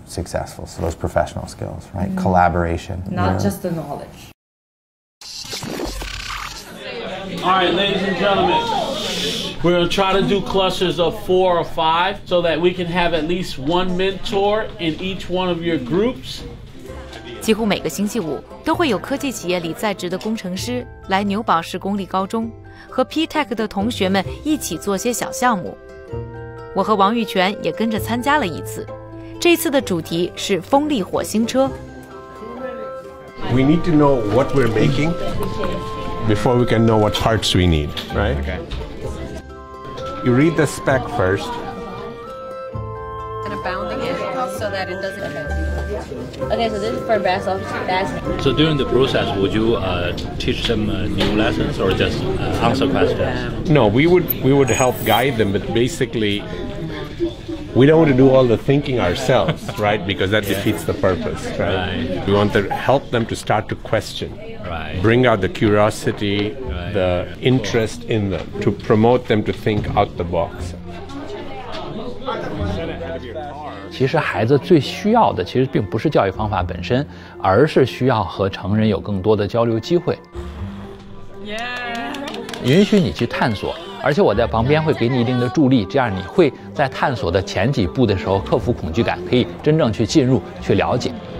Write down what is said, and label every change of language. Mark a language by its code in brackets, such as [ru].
[en] Successful. So those professional skills, right? Mm. Collaboration. Not just the knowledge. All right, ladies and gentlemen, we're going to try to do clusters of four or five so that we can have at least one mentor in each one of your groups. [zh] 几乎每个星期五都会有科技企业里在职的工程师来纽堡市公立高中和 P-TECH 的同学们一起做些小项目。我和王玉泉也跟着参加了一次。这次的主题是风力火星车。 [en] We need to know what we're making before we can know what parts we need, right? Okay. You read the spec first. Kind of bounding it so that it doesn't. Okay, so this is for basalt. So during the process, would you teach them new lessons or just answer questions? No, we would help guide them, but basically. We don't want to do all the thinking ourselves, right? Because that defeats the purpose, right? Right. We want to help them to start to question, right. Bring out the curiosity, right. The interest in them, to promote them to think out the box. [zh] 其实孩子最需要的其实并不是教育方法本身，而是需要和成人有更多的交流机会。允许你去探索。而且我在旁边会给你一定的助力，这样你会在探索的前几步的时候克服恐惧感，可以真正去进入去了解。